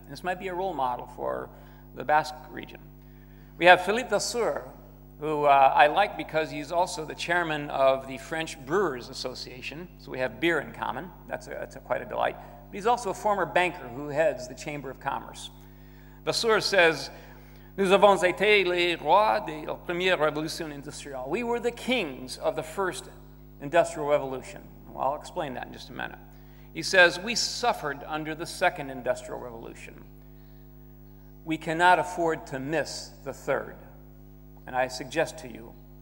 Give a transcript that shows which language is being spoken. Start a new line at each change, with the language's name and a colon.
English: This might be a role model for the Basque region. We have Philippe Vasseur, who I like because he's also the chairman of the French Brewers Association, so we have beer in common. That's quite a delight. But he's also a former banker who heads the Chamber of Commerce.
French: Vasseur says, "Nous avons été les rois de la première révolution industrielle."
English: We were the kings of the first industrial revolution. Well, I'll explain that in just a minute. He says, "We suffered under the second industrial revolution. We cannot afford to miss the third. And I suggest to you,